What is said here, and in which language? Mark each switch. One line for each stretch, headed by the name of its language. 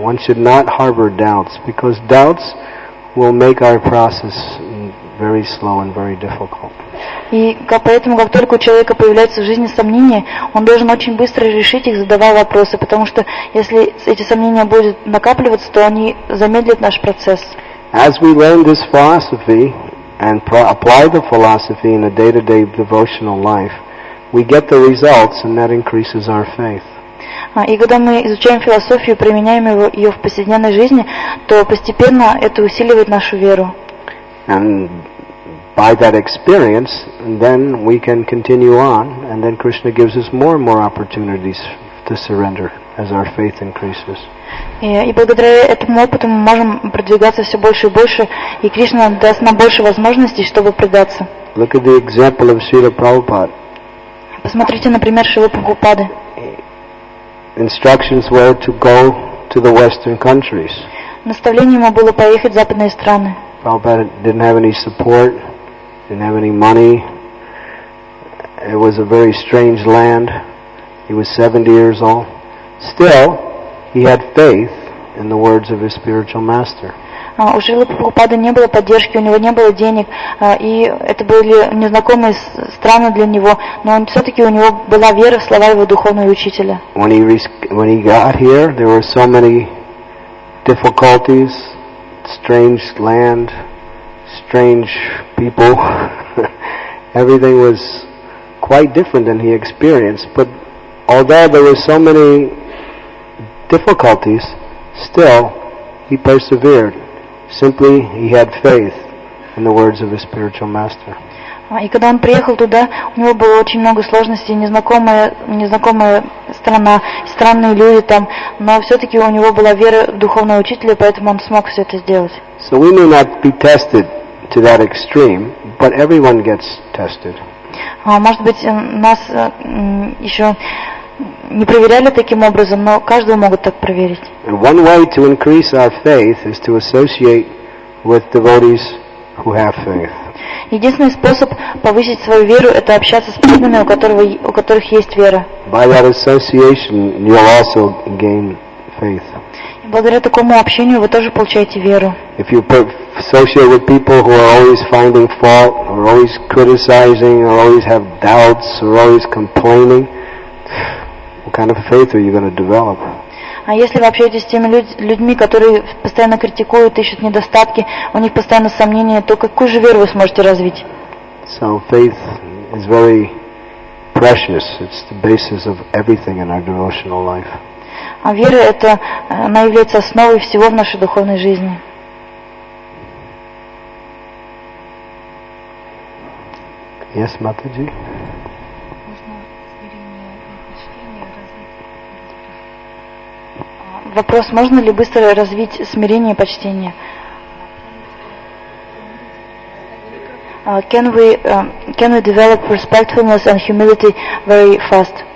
English: One should not harbor doubts, because doubts will make our process very slow and very difficult.
Russian: И поэтому, как только у человека появляются в жизни сомнения, он должен очень быстро решить их, задавая вопросы, потому что если эти сомнения будут накапливаться, то они замедлят наш процесс.
English: As we learn this philosophy and apply the philosophy in a day-to-day devotional life, we get the results, and that increases our faith.
Russian: И когда мы изучаем философию, применяем ее в повседневной жизни, то постепенно это усиливает нашу веру.
English: And by that experience, then we can continue on, and then Krishna gives us more and more opportunities to surrender as our faith increases.
Russian: И благодаря этому опыту мы можем продвигаться все больше и больше, и Кришна даст нам больше возможностей, чтобы предаться.
English: Look at the example of Srila Prabhupada.
Russian: Посмотрите, например, Шрилу Прабхупады.
English: Instructions were to go to the western countries.
Russian: Наставление ему было поехать в западные страны.
English: Prabhupada didn't have any support, didn't have any money. It was a very strange land. He was 70 years old. Still, he had faith in the words of his spiritual master.
Russian: У Шрилы Прабхупады не было поддержки, у него не было денег, и это были незнакомые страны для него, но он все-таки у него была вера в слова его духовного учителя.
English: When he got here, there were so many difficulties, strange land, strange people. Everything was quite different than he experienced, but although there were so many difficulties, still he persevered. Simply, he had faith in the words of his spiritual master.
Russian: И когда он приехал туда, у него было очень много сложностей, незнакомая страна, странные люди там, но все-таки у него была вера духовного учителя, поэтому он смог все это сделать.
English: So we may not be tested to that extreme, but everyone gets tested.
Russian: Может быть, нас еще не проверяли таким образом, но каждого могут так проверить.
English: One way to increase our faith is to associate with devotees who have faith.
Russian: Единственный способ повысить свою веру – это общаться с преданными, у которых есть вера.
English: By that association, you'll also gain faith.
Russian: И благодаря такому общению вы тоже получаете веру.
English: If you associate with people who are always finding fault, or always criticizing, or always have doubts, or always complaining, what kind of faith are you going to develop?
Russian: А если вы общаетесь с теми людьми, которые постоянно критикуют, ищут недостатки, у них постоянно сомнения, то какую же веру вы сможете развить?
English: So faith is very precious. It's the basis of everything in our devotional life.
Russian: А вера это она является основой всего в нашей духовной жизни.
English: Yes, Mataji.
Russian: Вопрос, можно ли быстро развить смирение и почтение?
English: Can we develop respectfulness and humility very fast?